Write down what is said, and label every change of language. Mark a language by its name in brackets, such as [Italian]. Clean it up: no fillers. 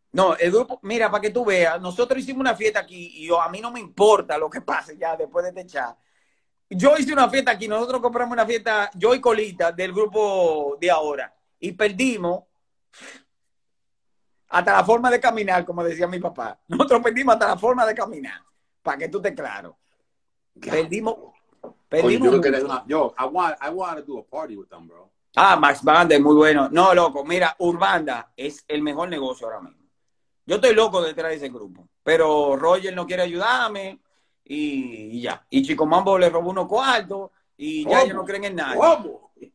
[Spanish] No, el grupo, mira, para que tú veas, nosotros hicimos una fiesta aquí y yo, a mí no me importa lo que pase ya después de este chat. Yo hice una fiesta aquí, nosotros compramos una fiesta, yo y Colita, del grupo de ahora, y perdimos hasta la forma de caminar, como decía mi papá. Nosotros perdimos hasta la forma de caminar, para que tú te claro. Perdimos. [English] Oye, I want to do a party with them, bro. [Spanish] Ah, Max Banda es muy bueno. No, loco, mira, Urbanda es el mejor negocio ahora mismo. Yo estoy loco detrás de ese grupo, pero Roger no quiere ayudarme y ya. Y Chico Mambo le robó unos cuartos y ya ellos no creen en nadie. ¿Cómo?